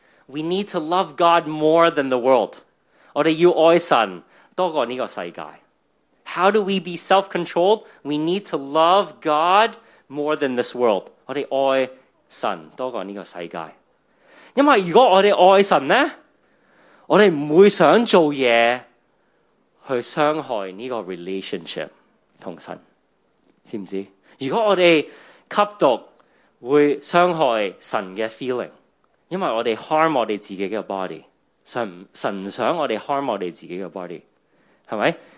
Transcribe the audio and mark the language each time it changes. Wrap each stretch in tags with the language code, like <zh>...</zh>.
<en>We need to love God more than the world.</en> <zh>我们要爱神多过这个世界。</zh> <en>How do we be self-controlled? We need to love God more than this world.</en> <zh>我们爱神多过这个世界。因为如果我们爱神呢，我们不会想做事去伤害这个 relationship 跟神。知不知道？如果我们吸毒会伤害神的 feeling， 因为我们 harm 我们自己的 body， 神不想我们 harm 我们自己的 body， 是不是？</zh>